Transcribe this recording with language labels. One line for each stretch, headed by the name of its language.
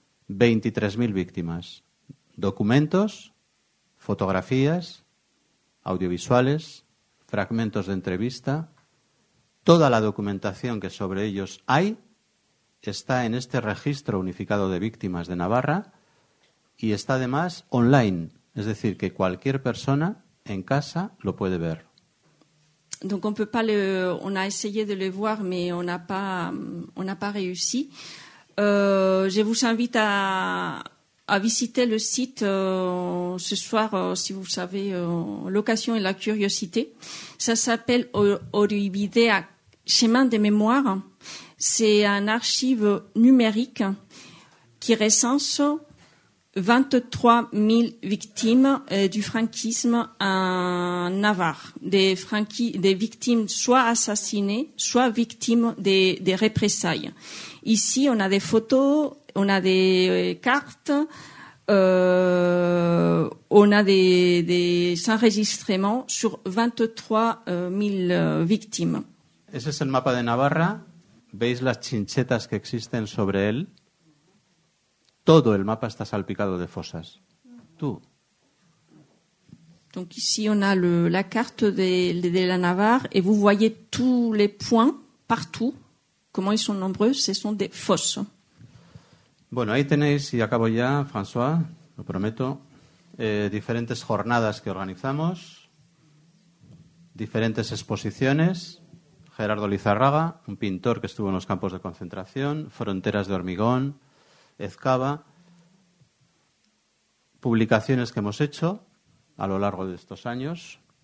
Spanish: 23.000 víctimas, documentos, fotografías, audiovisuales, fragmentos de entrevista, toda la documentación que sobre ellos hay está en este registro unificado de víctimas de Navarra y está además online, es decir, que cualquier persona en casa lo puede ver.
French: Donc on peut pas le, on a essayé de le voir mais on n'a pas réussi. Je vous invite à visiter le site ce soir si vous avez l'occasion et la curiosité. Ça s'appelle Oroibidea, chemin de mémoire. C'est un archive numérique qui recense 23 000 victimes du franquisme en Navarre. Des victimes soit assassinées, soit victimes des représailles. Ici, on a des photos, on a des cartes, on a des enregistrements sur 23 000 victimes.
Spanish: Ese es el mapa de Navarra. ¿Veis las chinchetas que existen sobre él? Todo el mapa está salpicado de fosas. tú.
French: Donc ici on a la carte de la Navarre et vous voyez tous les points partout. Comment ils sont nombreux, ce sont des fosses.
Spanish: Bueno, ahí tenéis, y acabo ya, François, lo prometo, diferentes jornadas que organizamos, diferentes exposiciones, Gerardo Lizarraga, un pintor que estuvo en los campos de concentración, Fronteras de hormigón, Ezcaba, publicaciones que hemos hecho a lo largo de estos años.